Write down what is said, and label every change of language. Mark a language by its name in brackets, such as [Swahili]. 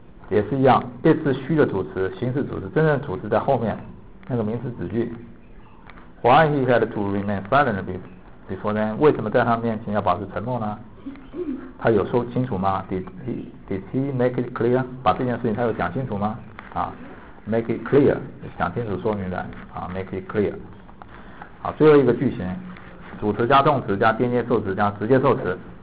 [Chinese] 也是一样 ，it 是虚的主词，形式主词，真正主词在后面，那个名词子句。 [English] Why he had to remain silent before then？ [Chinese] 为什么在他面前要保持沉默呢？他有说清楚吗 ？ [English] Did he make it clear？ [Chinese] 把这件事情他有讲清楚吗？啊 ， [English] make it clear， [Chinese] 讲清楚说明白啊 ，make it clear。好，最后一个句型，主词加动词加间接受词加直接受词。